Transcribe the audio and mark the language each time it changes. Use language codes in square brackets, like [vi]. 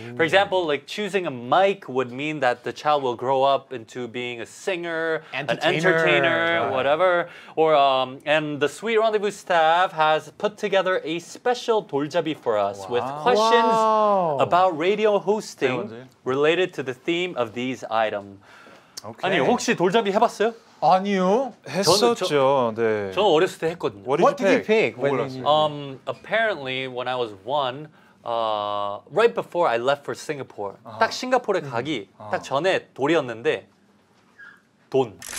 [en] For example, like choosing a mic would mean that the child will grow up into being a singer, an entertainer, right. whatever. Or and the Sweet Rendezvous staff has put together a special Dolzhabi for us wow. with questions wow. about radio hosting related to the theme of these items. Okay. [ko] 아니 혹시 돌잡이 해봤어요? 아니요. 했었죠. 네. 저는 어렸을 때 했거든요. [en] What did you pick? When apparently, when I was one, right before I left for Singapore, 아. [ko] 딱 싱가포르 가기 딱 전에 돌이었는데 돈.